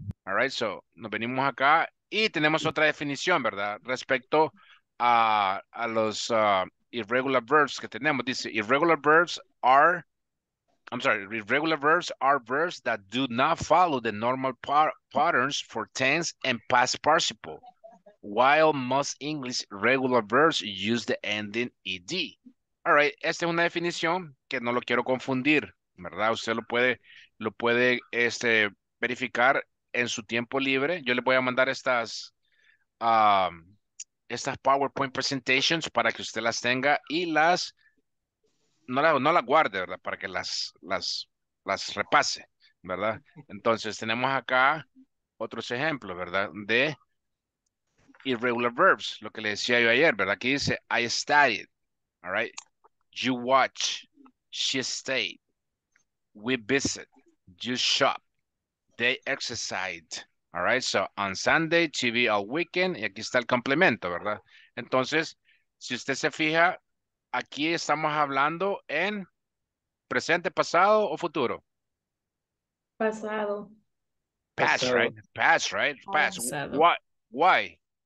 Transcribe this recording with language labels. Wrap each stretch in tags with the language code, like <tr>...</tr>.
<en>All right,</en> <es>so, nos venimos acá y tenemos otra definición, ¿verdad? Respecto a los irregular verbs que tenemos.</es> <en>Dice, irregular verbs are verbs that do not follow the normal patterns for tense and past participle, while most English regular verbs use the ending ed.</en> <es>All right, esta es una definición que no lo quiero confundir, ¿verdad? Usted lo puede verificar en su tiempo libre. Yo le voy a mandar estas estas PowerPoint presentations para que usted las tenga y las no las guarde, ¿verdad? Para que las repase, ¿verdad? Entonces, tenemos acá otros ejemplos, ¿verdad? De irregular verbs, lo que le decía yo ayer, ¿verdad? Aquí dice</es> <en>I studied, all right? You watch, she stayed, we visit, you shop, they exercise, all right? So, on Sunday, TV all weekend,</en> <es>y aquí está el complemento, ¿verdad? Entonces, si usted se fija, aquí estamos hablando en presente, pasado o futuro. Pasado.</es> <en>Past, right? Why?</en>